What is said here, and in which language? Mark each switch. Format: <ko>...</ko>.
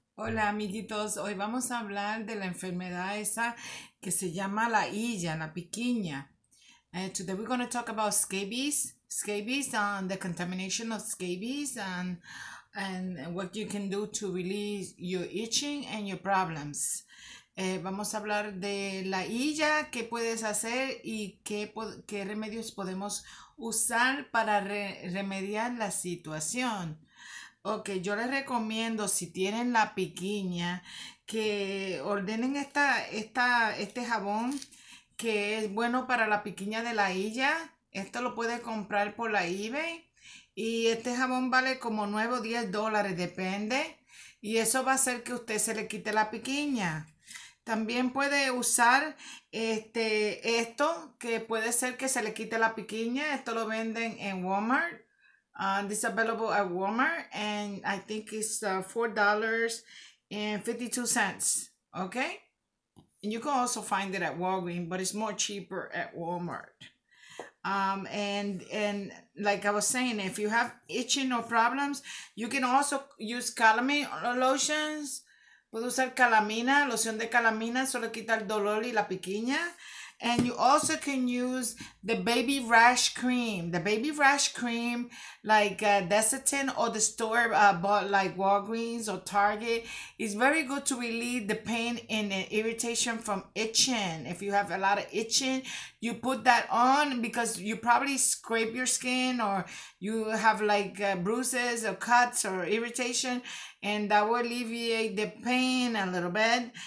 <es>Hola amiguitos, hoy vamos a hablar de la enfermedad esa que se llama la illa, la piquiña.</es> <en>Today we're going to talk about scabies, the contamination of scabies and what you can do to relieve your itching and your problems.</en> <es>Vamos a hablar de la illa, qué puedes hacer y qué remedios podemos usar para remediar la situación. Ok, yo les recomiendo si tienen la piquiña que ordenen este jabón que es bueno para la piquiña de la illa. Esto lo puedes comprar por la eBay y este jabón vale como 9 o $10, depende. Y eso va a hacer que usted se le quite la piquiña. También puede usar esto que puede ser que se le quite la piquiña. Esto lo venden en Walmart.</es> <en>This is available at Walmart and I think it's $4.52. Okay? And you can also find it at Walgreens, but it's more cheaper at Walmart. And like I was saying, if you have itching or problems, you can also use calamine lotions.</en> <es>Puedo usar calamina, loción de calamina, solo quita el dolor y la piquiña.</es> <en>And you also can use the baby rash cream. The baby rash cream, like Desitin or the store bought like Walgreens or Target, is very good to relieve the pain and the irritation from itching. If you have a lot of itching, you put that on because you probably scrape your skin or you have like bruises or cuts or irritation, and that will alleviate the pain a little bit.</en>